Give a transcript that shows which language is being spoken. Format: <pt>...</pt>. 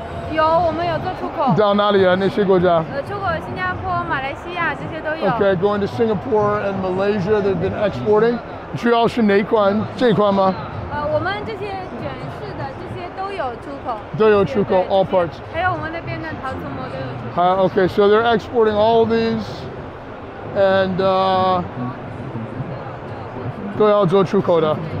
<zh>有,我们有做出口。到哪里啊,那些国家? 出口新加坡,马来西亚,这些都有。Okay,</zh> <en>going to Singapore and Malaysia, they've been exporting.</en> <zh>主要是哪一款,这一款吗? 我们这些卷式的,这些都有出口。都有出口,</zh> <en>all parts.</en> <zh>还有我们那边的陶瓷模都有出口。</zh> <en>Okay, so they're exporting all these, and</en> <zh>都要做出口的。</zh>